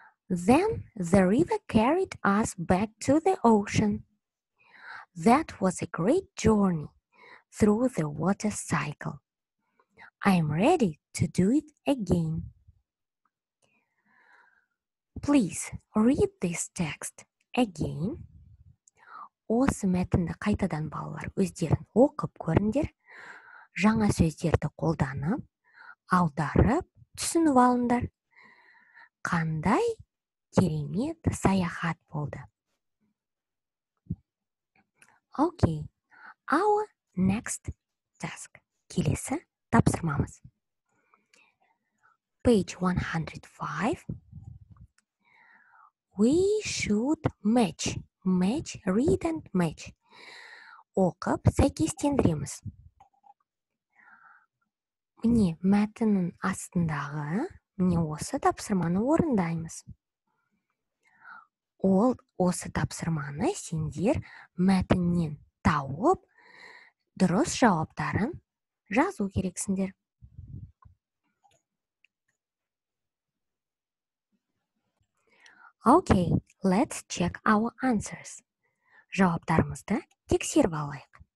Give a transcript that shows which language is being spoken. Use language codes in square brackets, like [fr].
[en] Then the river carried us back to the ocean. That was a great journey through the water cycle. I am ready to do it again. Please read this text again. [kk] Осы мәтінді қайтадан балалар өздерің оқып көріңдер. Жаңа сөздерді қолданып, аударып, түсініп алыңдар. Қандай керемет саяхат болды. [en] Okay, our next task. [kk] Келесі тапсырмамыз. [en] Page 105. We should match. Match, read and match. [kk] Оқып, сәйкестендіреміз. Міне, мәтінің астындағы, міне осы тапсырманы орындаймыз. Ол осы тапсырманы сендер мәтіннен тауып, дұрыс жауаптарын жазу керексіңдер. [en] Okay, let's check our answers. [kk] Жауаптарымызды тексеріп алайық.